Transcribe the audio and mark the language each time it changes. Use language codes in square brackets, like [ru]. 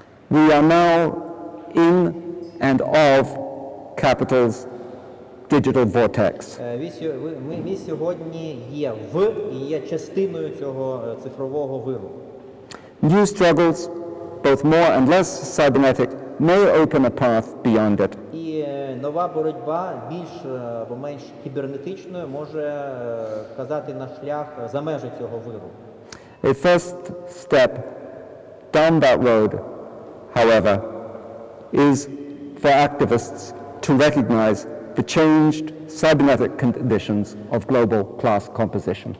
[en] We are now in and of capital's digital vortex. [uk] Ми сьогодні є в і є частиною цього цифрового виру. [en] New struggles, both more and less cybernetic, may open a path beyond it. [uk] І нова боротьба, більш або менш кібернетичною, може вказати на шлях за межі цього виру. [en] A first step down that road, however, is for activists to recognize the changed cybernetic conditions of global class composition.